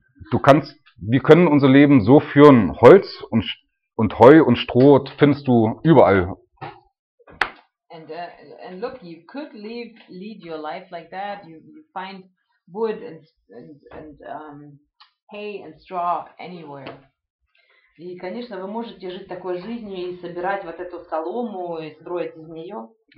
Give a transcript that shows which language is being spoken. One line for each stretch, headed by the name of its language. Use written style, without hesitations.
German: Du kannst, wir können unser Leben so führen. Holz und Heu und Stroh findest du überall.
English: And look, you could lead your life like that. You find wood and hay and straw anywhere.
Russian: И, конечно, вы можете жить такой жизнью и собирать вот эту солому и строить из нее.